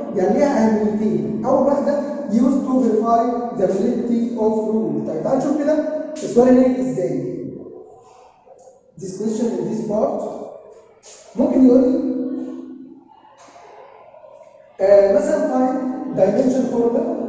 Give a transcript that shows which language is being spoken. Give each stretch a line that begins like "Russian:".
Arabic: يعني ليها اهميتين. اول واحده
English: used to verify the validity of rule.
Arabic: طيب تعال نشوف كده السؤال اللي هي ازاي.
English: This question in this part
Arabic: ممكن يقول لي مثلا
English: find dimension formula.